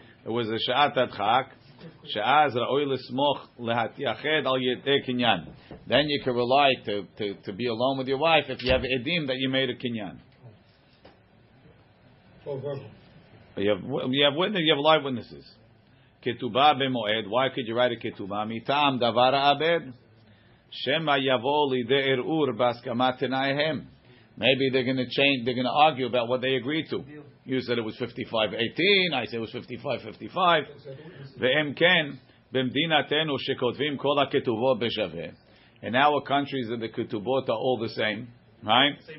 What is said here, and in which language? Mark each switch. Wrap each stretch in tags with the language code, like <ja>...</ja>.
<en>It was a</en> <he>שעת הדחק, שאז ראוי לסמוך להתייחד על ידי קניין.</he> <en>Then you can rely to be alone with your wife if you have edim that you made a קניין. You have live witnesses.</en> <he>כתובה במועד.</he> <en>Why could you write a כתובה?</en> <he>מטעם דבר האבד. שמא יבוא לידי ערעור בהסכמת תנאיהם.</he> <en>Maybe they're going to argue about what they agreed to. Deal. You said it was 55-18, I said it was 55-55.</en> <he>Ve'em ken, b'mdinatenu shekotvim kol ha-ketubot b'shaveh.</he> <en>In our countries, the ketubot are all the same, right?</en>